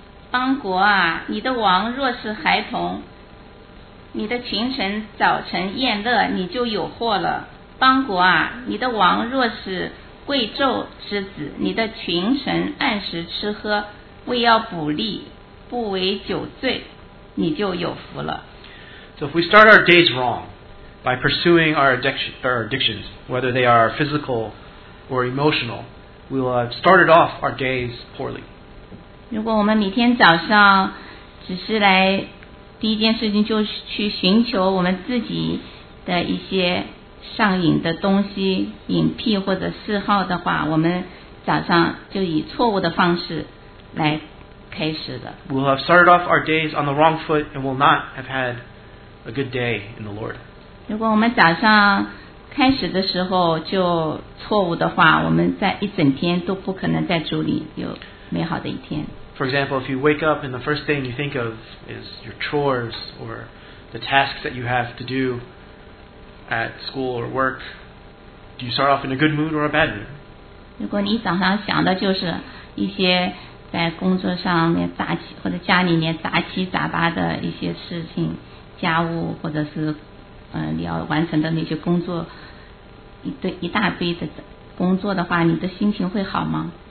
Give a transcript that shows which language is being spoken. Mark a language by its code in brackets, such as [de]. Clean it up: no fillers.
[zh] 邦国啊，你的王若是孩童，你的群臣早晨宴乐，你就有祸了。邦国啊，你的王若是贵胄之子，你的群臣按时吃喝，为要补力，不为酒醉，你就有福了。 [en] So if we start our days wrong by pursuing our addictions, whether they are physical or emotional, we will have started off our days poorly. [zh] 如果我们每天早上只是来第一件事情就是去寻求我们自己的一些上瘾的东西、瘾癖或者嗜好的话，我们早上就以错误的方式来开始的。 [en] We will have started off our days on the wrong foot and will not have had a good day in the Lord. [zh] 如果我们早上开始的时候就错误的话，我们在一整天都不可能在主里有美好的一天。 [en] For example, if you wake up and the first thing you think of is your chores or the tasks that you have to do at school or work, do you start off in a good mood or a bad mood? [zh] 如果你一早上想的就是一些在工作上面杂七或者家里面杂七杂八的一些事情，家务或者是你要完成的那些工作，一大堆的工作的话，你的心情会好吗？